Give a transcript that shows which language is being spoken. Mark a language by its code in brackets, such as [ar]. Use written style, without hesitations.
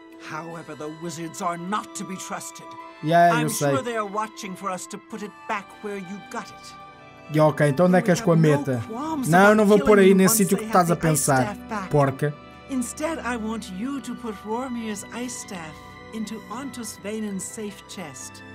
[en] However, the wizards are not to be trusted. Yeah, I'm sure they are watching for us to put it back where you got it. [pt] E ok, então onde é que és com a meta? Não, não vou pôr aí nesse sítio que estás a pensar, porca. [en] Instead, I want you to put Rormir's ice staff into Ontus Vaynin's safe chest.